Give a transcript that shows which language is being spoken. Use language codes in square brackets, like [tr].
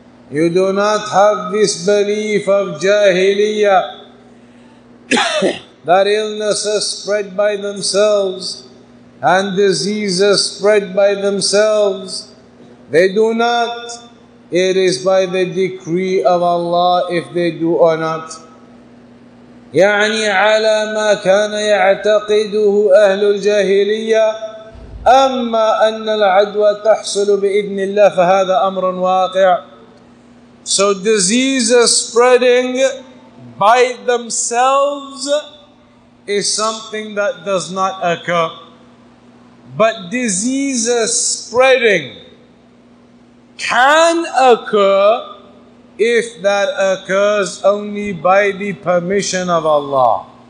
[en] You do not have this belief of Jahiliyyah that illnesses spread by themselves and diseases spread by themselves. They do not. It is by the decree of Allah if they do or not. [ar] يعني على ما كان يعتقده أهل الجاهلية أما أن العدوى تحصل بإذن الله فهذا أمر واقع. [en] So diseases spreading by themselves is something that does not occur. But diseases spreading can occur if that occurs only by the permission of Allah.